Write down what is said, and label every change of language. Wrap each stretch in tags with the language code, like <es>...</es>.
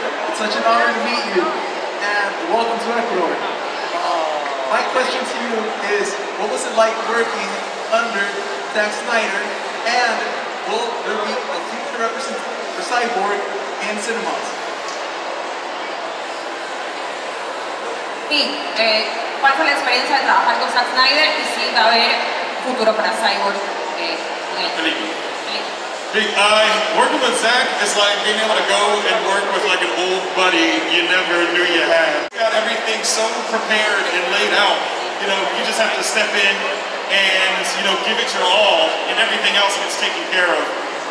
<en>It's such an honor to meet you, and welcome to Ecuador. My question to you is, what was it like working under Zack Snyder, and will there be a future representation for Cyborg in cinemas?</en> <es>Sí, ¿cuál fue la experiencia de trabajar con Zack Snyder y si va a haber futuro para Cyborg?</es> <en>I working with Zack is like being able to go and work with like an old buddy you never knew you had. You got everything so prepared and laid out. You know, you just have to step in and, you know, give it your all and everything else gets taken care of.</en>